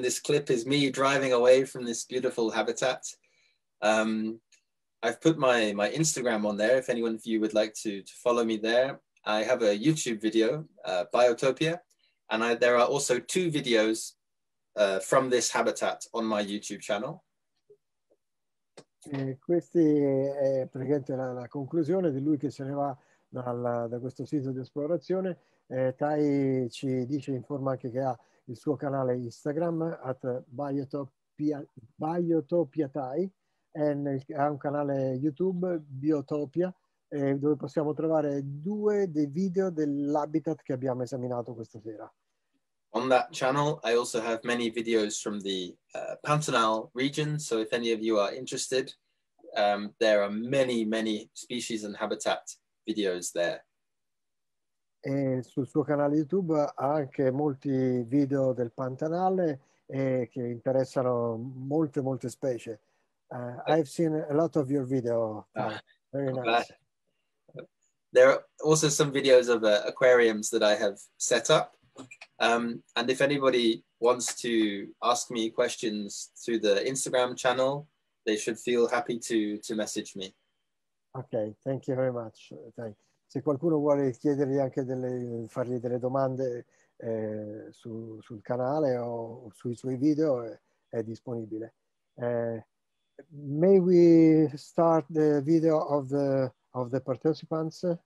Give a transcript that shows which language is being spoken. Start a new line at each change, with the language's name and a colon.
English: This clip is me driving away from this beautiful habitat. I've put my Instagram on there if anyone of you would like to follow me there. I have a YouTube video, Biotopia, and there are also 2 videos from this habitat on my YouTube channel.
Italian: Questa è praticamente la conclusione di lui che se ne va da questo sito di esplorazione. Tai ci dice, informa anche che ha il suo canale Instagram at Biotopia Tai, e ha un canale YouTube Biotopia, dove possiamo trovare 2 dei video dell'habitat che abbiamo esaminato questa sera.
English: On that channel I also have many videos from the Pantanal region, so if any of you are interested, there are many many species and habitat videos there.
Italian: E sul suo canale YouTube ha anche molti video del Pantanale che interessano molte, molte specie.
English: I've seen a lot of your video. Very nice. Glad. There are also some videos of aquariums that I have set up. And if anybody wants to ask me questions through the Instagram channel, they should feel happy to message me. Okay, thank you very much. Thank you.
Italian: Se qualcuno vuole chiedergli anche fargli delle domande sul canale o sui suoi video, è disponibile.
English: May we start the video of the participants?